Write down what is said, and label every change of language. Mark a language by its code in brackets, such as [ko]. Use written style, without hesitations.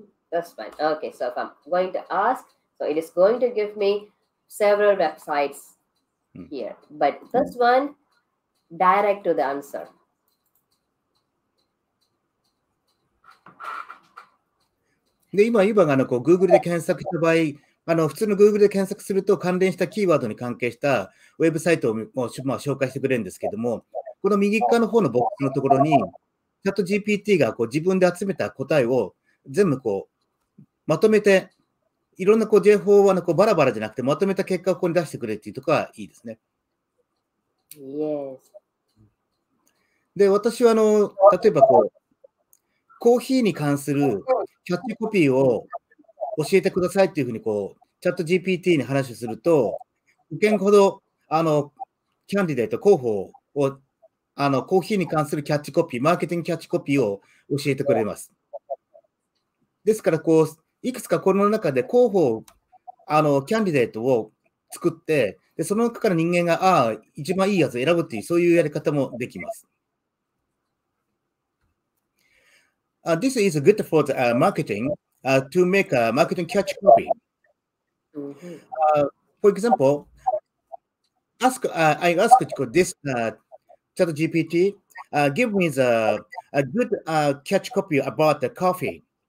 [en] That's fine. Okay, so if I'm going to ask, so it is going to give me several websites here, but this one direct to the answer. [ja] で今ユバがあのこう Google で検索した場合、あの普通の Google で検索すると関連したキーワードに関係したウェブサイトをもう、まあ、紹介してくれるんですけども、この右側の方のボックスのところにチャット GPT がこう自分で集めた答えを全部こうまとめて、いろんなこう情報はこうバラバラじゃなくてまとめた結果をここに出してくれっていうところはいいですね。 [en] Yes. [ja] で私はあの例えばこうコーヒーに関するキャッチコピーを教えてくださいっていうふうにこうチャット GPT に話をすると、受験ほどあのキャンディデート候補をあのコーヒーに関するキャッチコピー、マーケティングキャッチコピーを教えてくれます。ですからこういくつかこの中で候補あのキャンディデートを作って、でその中から人間が一番いいやつを選ぶっていう、そういうやり方もできます。 [en] This is good for the marketing to make a marketing catch copy. For example, I ask this chat GPT, give me a good catch copy about the coffee.